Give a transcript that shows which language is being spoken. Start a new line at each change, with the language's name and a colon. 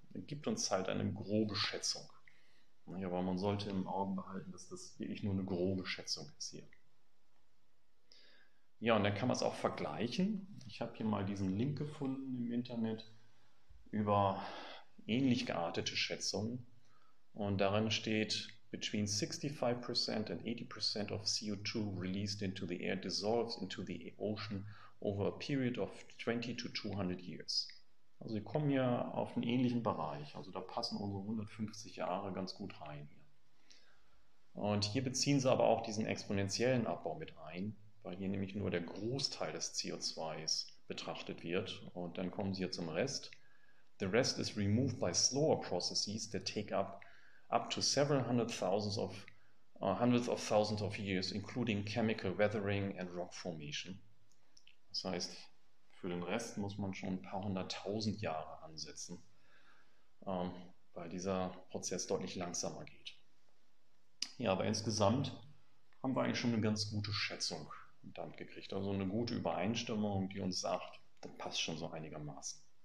German: Er gibt uns halt eine grobe Schätzung. Ja, aber man sollte im Auge behalten, dass das wirklich nur eine grobe Schätzung ist hier. Ja, und dann kann man es auch vergleichen. Ich habe hier mal diesen Link gefunden im Internet über ähnlich geartete Schätzungen. Und darin steht:
English: Between 65% and 80% of CO2 released into the air dissolves into the ocean over a period of 20 to 200 years.
German: Also, wir kommen hier auf einen ähnlichen Bereich. Also, da passen unsere 150 Jahre ganz gut rein hier. Und hier beziehen Sie aber auch diesen exponentiellen Abbau mit ein, weil hier nämlich nur der Großteil des CO2 betrachtet wird. Und dann kommen Sie hier zum Rest.
English: The rest is removed by slower processes that take up to several hundreds of thousands of years, including chemical weathering and rock formation.
German: Das heißt, für den Rest muss man schon ein paar hunderttausend Jahre ansetzen, weil dieser Prozess deutlich langsamer geht. Ja, aber insgesamt haben wir eigentlich schon eine ganz gute Schätzung damit gekriegt. Also eine gute Übereinstimmung, die uns sagt, das passt schon so einigermaßen.